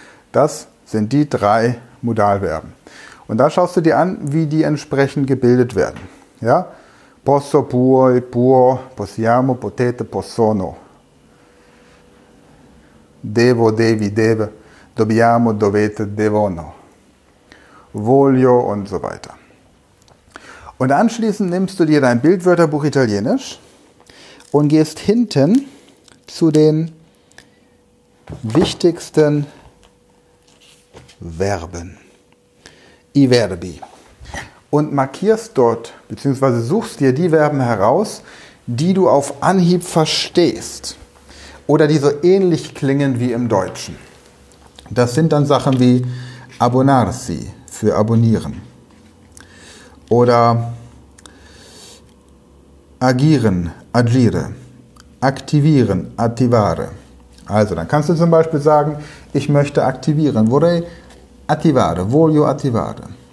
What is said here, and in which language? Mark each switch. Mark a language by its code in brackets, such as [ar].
[de] Das sind die drei Modalverben. Und da schaust du dir an, wie die entsprechend gebildet werden. Ja? [it] Posso, puoi, può, possiamo, potete, possono. Devo, devi, deve, dobbiamo, dovete, devono. [de] Voglio und so weiter. Und anschließend nimmst du dir dein Bildwörterbuch Italienisch und gehst hinten zu den wichtigsten Verben. [it] I verbi. [de] Und markierst dort, beziehungsweise suchst dir die Verben heraus, die du auf Anhieb verstehst. Oder die so ähnlich klingen wie im Deutschen. Das sind dann Sachen wie abonarsi, für abonnieren. Oder agieren, agire. Aktivieren, attivare. Also, dann kannst du zum Beispiel sagen, ich möchte aktivieren. [it] Vorrei attivare, voglio attivare.